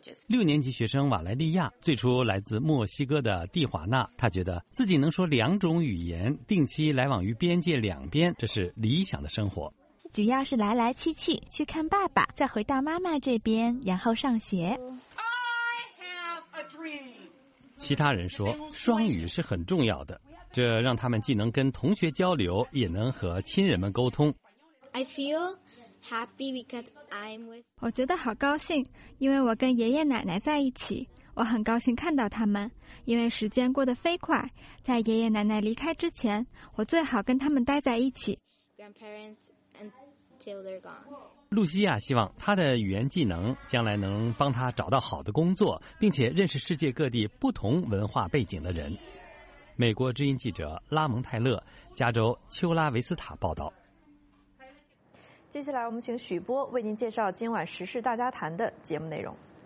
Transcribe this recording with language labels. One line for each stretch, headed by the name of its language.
Chinese: 6年级学生瓦莱利亚最初来自墨西哥的蒂华纳，他觉得自己能说两种语言，定期来往于边界两边，这是理想的生活。只要是来来去去，去看爸爸，再回到妈妈这边，然后上学。
English: I have a dream。
Chinese: 其他人说双语是很重要的，这让他们既能跟同学交流，也能和亲人们沟通。
English: I feel happy because I'm with...
Chinese: 我觉得好高兴，因为我跟爷爷奶奶在一起，我很高兴看到他们，因为时间过得飞快，在爷爷奶奶离开之前，我最好跟他们待在一起。
English: Grandparents until they're gone。
Chinese: 露西亚希望她的语言技能将来能帮她找到好的工作，并且认识世界各地不同文化背景的人。美国之音记者拉蒙泰勒，加州丘拉维斯塔报道。接下来我们请许波为您介绍今晚时事大家谈的节目内容。